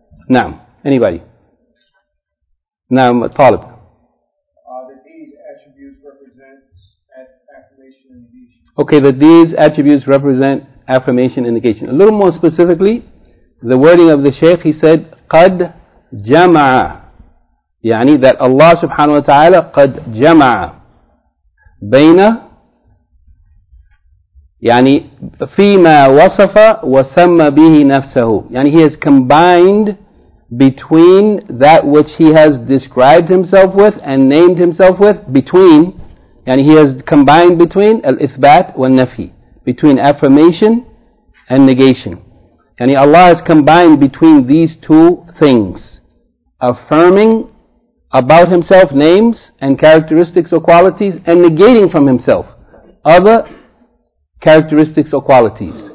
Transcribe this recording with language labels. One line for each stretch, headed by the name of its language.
English: Naam. Anybody? Naam, Talib. That these attributes represent affirmation and negation. Okay, that these attributes represent affirmation and negation. A little more specifically, the wording of the Shaykh, he said,
Arabic: قَدْ جَمَعَ. يعني
English: that Allah subhanahu wa ta'ala
Arabic: قَدْ جَمَعَ بَيْنَ يعني فِيمَا وَصَفَ وَسَمَّ بِهِ نَفْسَهُ.
English: يعني he has combined between that which he has described himself with and named himself with, between, يعني he has combined between
Arabic: الإثبات والنفي,
English: between affirmation and negation. يعني Allah has combined between these two things, affirming about himself names and characteristics or qualities, and negating from himself other characteristics or qualities.